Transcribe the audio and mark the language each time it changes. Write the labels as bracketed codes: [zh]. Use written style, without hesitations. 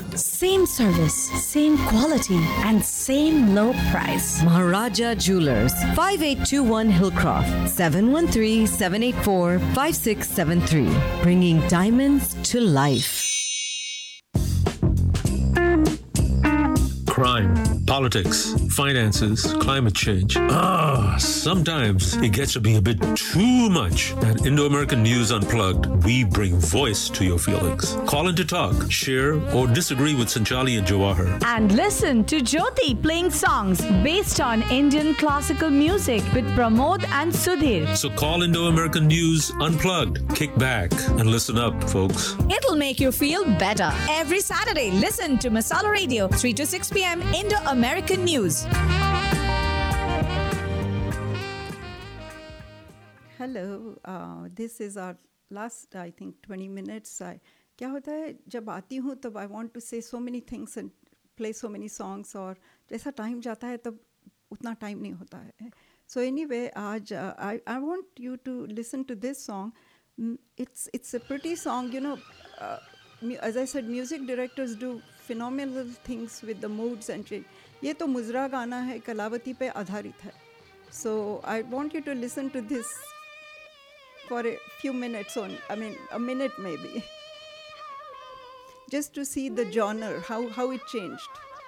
[en] Same service, same quality and same low price. Maharaja jewellers, 5821 Hillcroft, 713-784-5673, bringing diamonds to life. Crime, politics, finances, climate change. Ah, sometimes it gets to be a bit too much. At Indo-American News Unplugged, we bring voice to your feelings. Call in to talk, share, or disagree with Sanchali and Jawahar. And listen to Jyoti playing songs based on Indian classical music with Pramod and Sudhir. So call Indo-American News Unplugged. Kick back and listen up, folks. It'll make you feel better. Every Saturday, listen to Masala Radio, 3 to 6 p.m. Indo-American News. Hello this is our last I think 20 minutes [hi] क्या होता है जब आती हूँ तब [en] I want to say so many things and play so many songs [hi] और जैसा टाइम जाता है तब उतना टाइम नहीं होता है [en] so anyway आज I want you to listen to this song it's a pretty song you know as I said music directors do phenomenal things with the moods and change [hi] ये तो मुजरा गाना है कलावती पे आधारित है [en] So I want you to listen to this for a few minutes on, I mean, a minute maybe. Just to see the genre, how it changed.